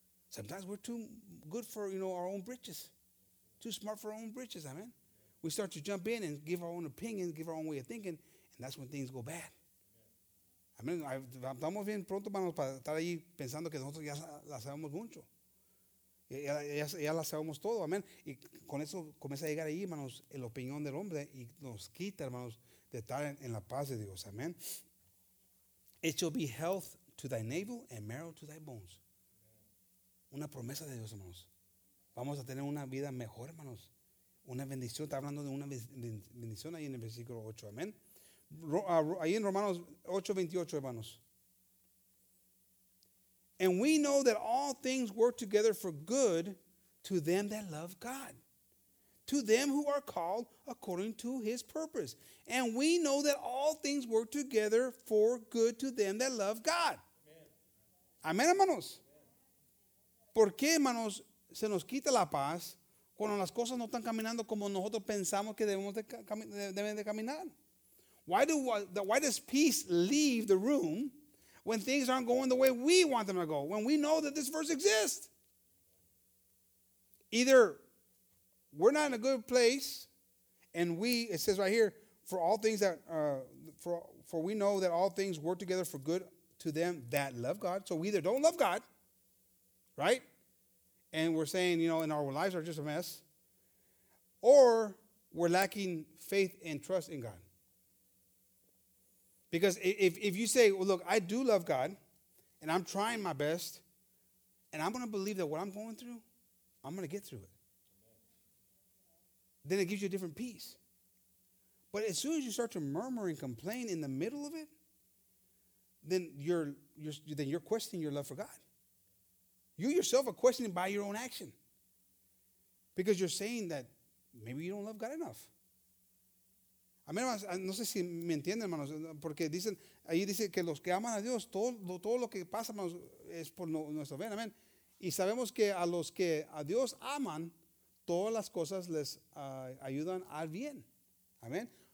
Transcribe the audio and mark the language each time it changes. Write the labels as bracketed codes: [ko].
[en] Sometimes we're too good for, you know, our own britches. Too smart for our own britches, amen? Yeah. We start to jump in and give our own opinion, give our own way of thinking, and that's when things go bad. Amen? [es] Estamos bien pronto para estar ahí pensando que nosotros ya la sabemos mucho. Ya la sabemos todo, amén. Y con eso comienza a llegar ahí, hermanos, la opinión del hombre y nos quita, hermanos, de estar en la paz de Dios, amén. [en] It shall be health to thy navel and marrow to thy bones. [es] Una promesa de Dios, hermanos. Vamos a tener una vida mejor, hermanos. Una bendición, está hablando de una bendición ahí en el versículo 8, amén. Ahí en Romanos 8, 28, hermanos. [en] And we know that all things work together for good to them that love God, to them who are called according to his purpose. And we know that all things work together for good to them that love God. Amen, amen, hermanos. [es] ¿Por qué, hermanos, se nos quita la paz cuando las cosas no están caminando como nosotros pensamos que deben de caminar? [en] Why does peace leave the room when things aren't going the way we want them to go, when we know that this verse exists? Either we're not in a good place, and we, it says right here, for all things that, for we know that all things work together for good to them that love God. So we either don't love God, right? And we're saying, you know, and our lives are just a mess. Or we're lacking faith and trust in God. Because if you say, well, look, I do love God, and I'm trying my best, and I'm going to believe that what I'm going through, I'm going to get through it. Then it gives you a different peace. But as soon as you start to murmur and complain in the middle of it, then you're questioning your love for God. You yourself are questioning by your own action. Because you're saying that maybe you don't love God enough. [es] Amén, hermanos, no sé si me entienden, hermanos, porque dicen, ahí dice que los que aman a Dios, todo lo que pasa, hermanos, es por nuestro bien, amén. Y sabemos que a los que a Dios aman, todas las cosas les ayudan al bien. Amén.